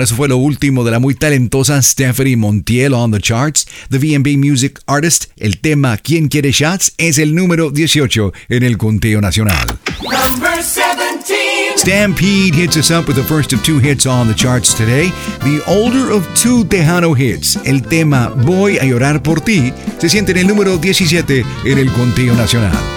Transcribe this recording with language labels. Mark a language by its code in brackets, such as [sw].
[es] Eso fue lo último de la muy talentosa Stephanie Montiel [en] on the charts. The VNB Music Artist, [es] el tema ¿Quién Quiere Shots? Es el número 18 en el conteo nacional. [en] Number 17. Stampede hits us up with the first of two hits on the charts today. The older of two Tejano hits, [es] el tema Voy a Llorar Por Ti, se siente en el número 17 en el conteo nacional.